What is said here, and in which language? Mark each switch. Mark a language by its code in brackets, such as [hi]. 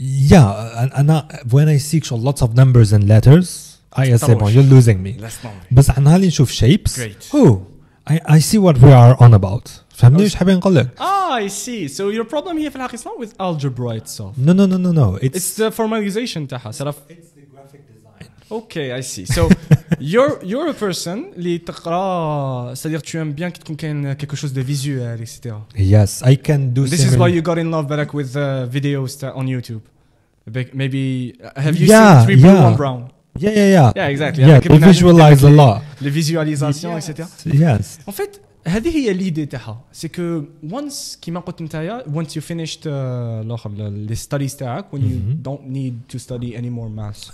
[en] Yeah, and when I see show lots of numbers and letters, I say, bon, you're losing me. [ar] بصح نهار نشوف shapes. [en] Great. Oh, I see what we are on about. [ar] فهمني واش حابين نقول لك؟ [en] Ah, I see. So your problem here for Hakisla with algebra itself. No. It's the formalization تاعها. It's the graphic design. Okay, I see. So you're a person [ar] اللي تقرا, [fr] c'est-à-dire tu aimes bien qu'il y ait quelque chose de visuel, etc. [en] Yes, I can do. This is why you got in love back with videos on YouTube. Maybe have you yeah, seen three yeah. blue one brown? Yeah. Yeah, exactly. Yeah, they visualize a lot. [fr] Les visualisations, [en] yes. [fr] etc. [en] Yes. [fr] En fait, [ar] هذه هي [en] l'idée تاعها. [fr] C'est que [en] once, [ar] كيما قلت نتايا, [en] once you finished les studies [ar] تاعك, [en] when you don't need to study any more math.